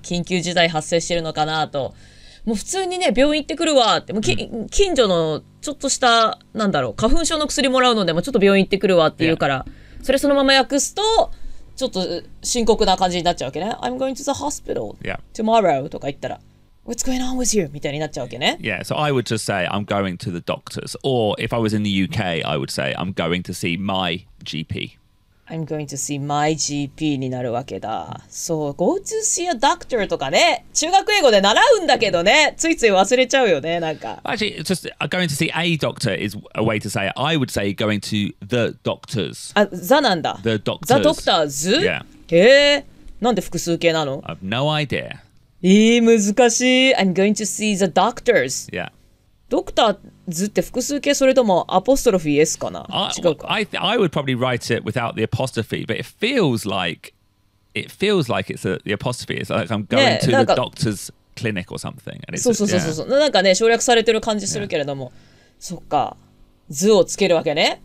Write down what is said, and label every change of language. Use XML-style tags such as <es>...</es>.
<ja>緊急事態発生してるのかなと。もう普通にね、病院行ってくるわって。もう近所のちょっとした、なんだろう、花粉症の薬もらうので、もうちょっと病院行ってくるわって言うから、yeah. それそのまま訳すと、ちょっと深刻な感じになっちゃうわけね。</ja> <en>I'm going to the hospital、 yeah. tomorrow</en> <ja>とか言ったら。</ja> <en>What's going on with you?</en> <ja>みたいになっちゃうわけね。</ja> <en>Yeah, so I would just say, I'm going to the doctors. Or if I was in the UK, I would say, I'm going to see my GP. I'm going to see my GP</en> <ja>になるわけだ。そう、</ja> <en>go to see a doctor</en> <ja>とかね、中学英語で習うんだけどね、ついつい忘れちゃうよね、なんか。</ja> <en>Actually, just going to see a doctor is a way to say it. I would say going to the doctors.</en> <ja>あ、ザなんだ。</ja> <en>The doctors. The doctors? Yeah.</en> <ja>へぇ、なんで複数形なの？</ja> <en>I have no idea.</en> <ja>いい、難しい。</ja> <en>I'm going to see the doctors. Yeah.</en> <ja>ドクターズって複数形それともアポストロフィー S かな違うか</ja> <en>I would probably write it without the apostrophe, but it feels like it's the apostrophe. It's like I'm going、ね、to the doctor's clinic or something. And it's,</en> <ja>そうそうそうそう、yeah. なんかね省略されてる感じするけれども、yeah. そっか図をつけるわけね、</ja>